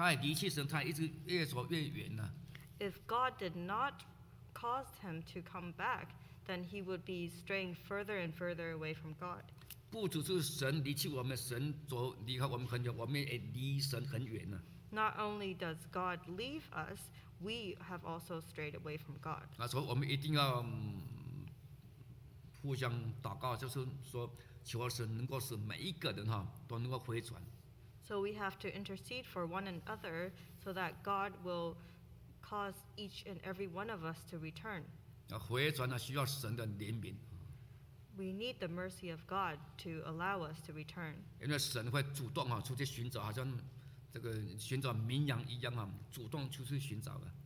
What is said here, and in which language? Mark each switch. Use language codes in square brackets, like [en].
[zh] 假如没有神使他悔改，使他回转的话，他还是怎么样？他还离弃神，他一直越走越远呢。 [en] If God did not cause him to come back, then he would be straying further and further away from God. [zh] 不只是神离弃我们，神走离开我们很远，我们也离神很远呢。 [en] Not only does God leave us, we have also strayed away from God. [zh] 那所以我们一定要互相祷告，就是说，求神能够使每一个人哈都能够回转。 [en] So we have to intercede for one another so that God will cause each and every one of us to return. [zh] 回转呢，需要神的怜悯。 [en] We need the mercy of God to allow us to return. [zh] 因为神会主动啊出去寻找，好像这个寻找绵羊一样啊，主动出去寻找的。